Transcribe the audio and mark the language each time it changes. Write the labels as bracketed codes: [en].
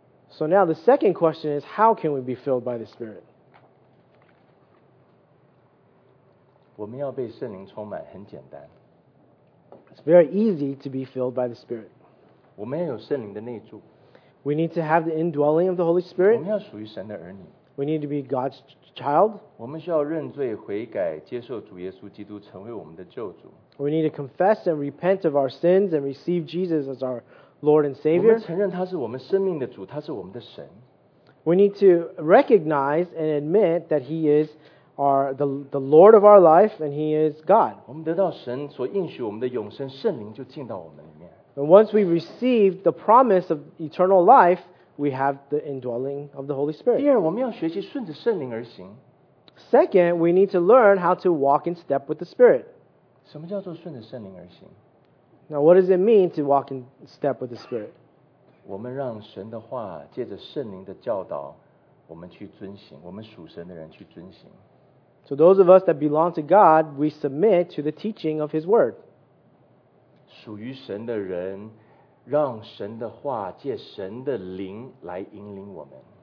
[en] So now the second question is, how can we be filled by the Spirit? [zh] 我们要被圣灵充满，很简单。 [en] It's very easy to be filled by the Spirit. [zh] 我们要有圣灵的内住。 [en] We need to have the indwelling of the Holy Spirit. [zh] 我们要属于神的儿女。 [en] We need to be God's child. [zh] 我们需要认罪悔改，接受主耶稣基督成为我们的救主。 [en] We need to confess and repent of our sins and receive Jesus as our Lord and Savior. [zh] 我们承认他是我们生命的主，他是我们的神。 [en] We need to recognize and admit that He is our the Lord of our life and He is God. [zh] 我们得到神所应许我们的永生，圣灵就进到我们里面。 [en] And once we receive the promise of eternal life, we have the indwelling of the Holy Spirit. [zh] 第二，我们要学习顺着圣灵而行。 [en] Second, we need to learn how to walk in step with the Spirit. [zh] 什么叫做顺着圣灵而行？ [en] Now, what does it mean to walk in step with the Spirit? [zh] 我们让神的话借着圣灵的教导，我们去遵行，我们属神的人去遵行。 [en] So those of us that belong to God, we submit to the teaching of His Word. [zh] 属于神的人，让神的话借神的灵来引领我们。